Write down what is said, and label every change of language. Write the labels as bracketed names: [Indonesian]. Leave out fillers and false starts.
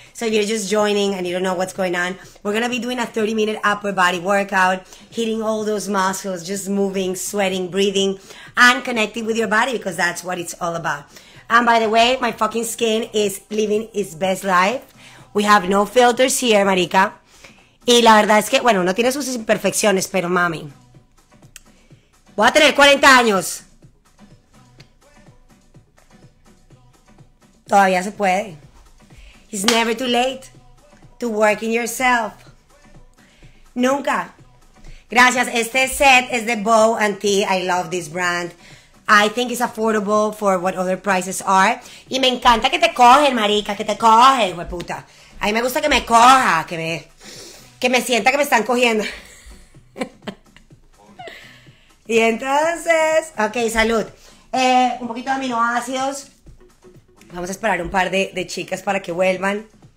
[English] So you're just joining and you don't know what's going on. We're going to be doing a 30-minute upper body workout, hitting all those muscles, just moving, sweating, breathing, and connecting with your body because that's what it's all about. And by the way, my fucking skin is living its best life. We have no filters here, marica. [Spanish] Y la verdad es que, bueno, uno tiene sus imperfecciones, pero mami, voy a tener 40 años. Todavía se puede. [English] It's never too late to work in yourself. [Spanish] Nunca. Gracias. Este set es de Bow and Tea. [English] I love this brand. I think it's affordable for what other prices are. [Spanish] Y me encanta que te cogen, marica, que te cogen, hueputa. A mí me gusta que me coja, que me... Que me sienta que me están cogiendo. Y entonces... Ok, salud. Un poquito de aminoácidos. Vamos a esperar un par de chicas para que vuelvan.